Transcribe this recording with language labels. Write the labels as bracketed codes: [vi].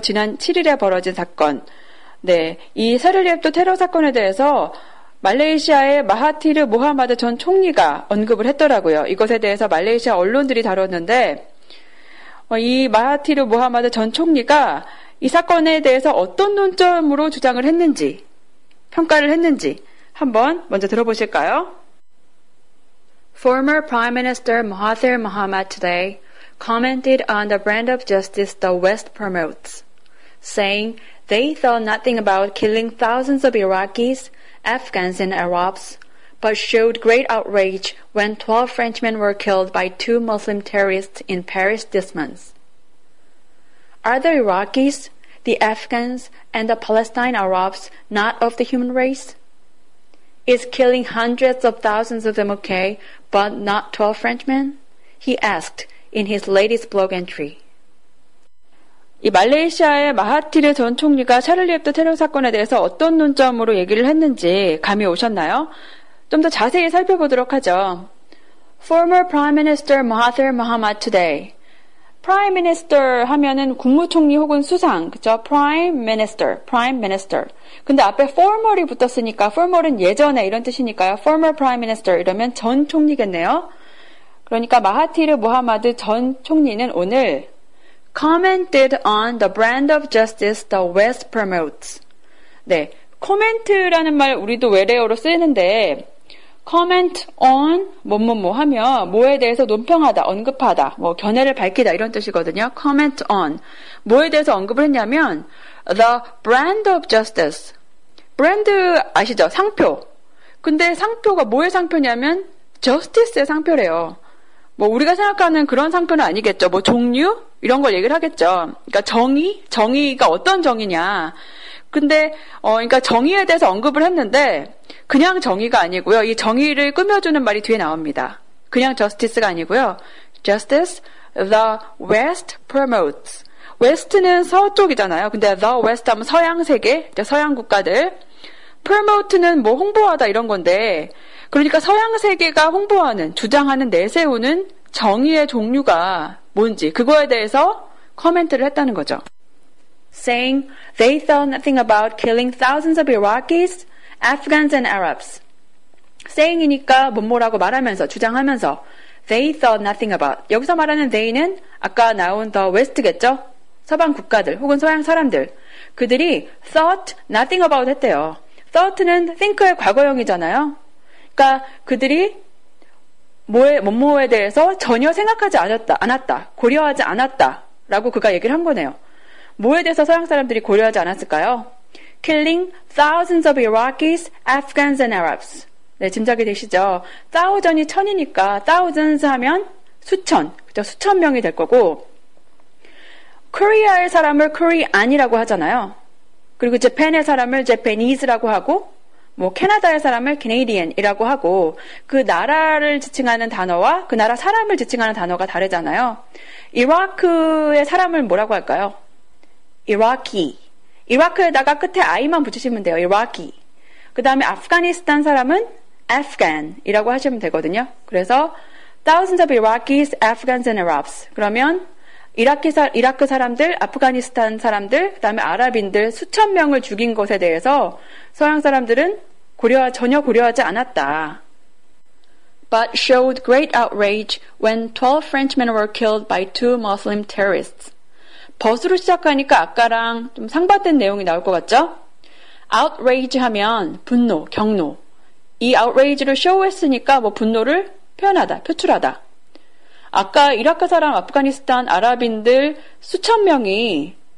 [ko] 지난 7일에 벌어진 사건. 네, 이 샤를리 앱도 테러 사건에 대해서 말레이시아의 마하티르 모하마드 전 총리가 언급을 했더라고요. 이것에 대해서 말레이시아 언론들이 다뤘는데 이 마하티르 모하마드 전 총리가 이 사건에 대해서 어떤 논점으로 주장을 했는지 평가를 했는지 한번 먼저 들어보실까요? [en] Former Prime Minister Mahathir Mohamad today commented on the brand of justice the West promotes, saying they thought nothing about killing thousands of Iraqis, Afghans and Arabs, but showed great outrage when 12 Frenchmen were killed by two Muslim terrorists in Paris this month. Are the Iraqis, the Afghans, and the Palestine Arabs not of the human race? Is killing hundreds of thousands of them okay, but not 12 Frenchmen? He asked in his latest blog entry. [ko] 이 말레이시아의 마하티르 전 총리가 샤를리 앱도 테러 사건에 대해서 어떤 논점으로 얘기를 했는지 감이 오셨나요? 좀 더 자세히 살펴보도록 하죠. [en] Former Prime Minister Mahathir Mohamad today. [ko] Prime Minister 하면은 국무총리 혹은 수상, 그죠? [en] Prime Minister, Prime Minister. [ko] 근데 앞에 former이 붙었으니까 former은 예전에 이런 뜻이니까요. Former Prime Minister 이러면 전 총리겠네요. 그러니까 마하티르 모하마드 전 총리는 오늘 [en] commented on the brand of justice the West promotes. [ko] 네. comment라는 말 우리도 외래어로 쓰이는데 comment on 뭐뭐뭐 하며 뭐에 대해서 논평하다, 언급하다, 뭐 견해를 밝히다 이런 뜻이거든요. comment on 뭐에 대해서 언급을 했냐면 the brand of justice. brand 아시죠? 상표. 근데 상표가 뭐의 상표냐면 justice의 상표래요. 뭐 우리가 생각하는 그런 상표는 아니겠죠. 뭐 종류? 이런 걸 얘기를 하겠죠. 그러니까 정의? 정의가 어떤 정의냐. 근데 그러니까 정의에 대해서 언급을 했는데 그냥 정의가 아니고요. 이 정의를 꾸며주는 말이 뒤에 나옵니다. 그냥 justice가 아니고요. [en] Justice the West promotes. [ko] West는 서쪽이잖아요. 근데 the West 하면 서양 세계, 서양 국가들. Promote는 뭐 홍보하다 이런 건데 그러니까 서양 세계가 홍보하는, 주장하는, 내세우는 정의의 종류가 뭔지 그거에 대해서 코멘트를 했다는 거죠. [en] saying they thought nothing about killing thousands of Iraqis, Afghans and Arabs. [ko] saying이니까 뭐뭐라고 말하면서 주장하면서 [en] they thought nothing about. [ko] 여기서 말하는 they는 아까 나온 the west겠죠? 서방 국가들 혹은 서양 사람들. 그들이 thought nothing about 했대요. thought는 think의 과거형이잖아요. 그러니까 그들이 뭐에 뭐뭐에 대해서 전혀 생각하지 않았다. 고려하지 않았다라고 그가 얘기를 한 거네요. 뭐에 대해서 서양 사람들이 고려하지 않았을까요? [en] Killing thousands of Iraqis, Afghans and Arabs. [ko] 네, 짐작이 되시죠? Thousand이 천이니까 thousands 하면 수천, 그죠? 수천 명이 될 거고 Korea의 사람을 Korean이라고 하잖아요. 그리고 Japan의 사람을 Japanese라고 하고 뭐 캐나다의 사람을 Canadian이라고 하고 그 나라를 지칭하는 단어와 그 나라 사람을 지칭하는 단어가 다르잖아요. 이라크의 사람을 뭐라고 할까요? 이라키. 이라크에다가 끝에 I만 붙이시면 돼요. 이라키. 그 다음에 아프가니스탄 사람은 Afghan이라고 하시면 되거든요. 그래서 [en] Thousands of Iraqis, Afghans and Arabs. [ko] 그러면 이라크 사람들, 아프가니스탄 사람들, 그 다음에 아랍인들 수천 명을 죽인 것에 대해서 서양 사람들은 전혀 고려하지 않았다. [en] But showed great outrage when 12 Frenchmen were killed by two Muslim terrorists. [ko] 버스로 시작하니까 아까랑 좀 상반된 내용이 나올 것 같죠? Outrage 하면 분노, 경로. 이 outrage를 show했으니까 뭐 분노를 표현하다, 표출하다. 아까 이라크 사람, 아프가니스탄, 아랍인들 수천 명이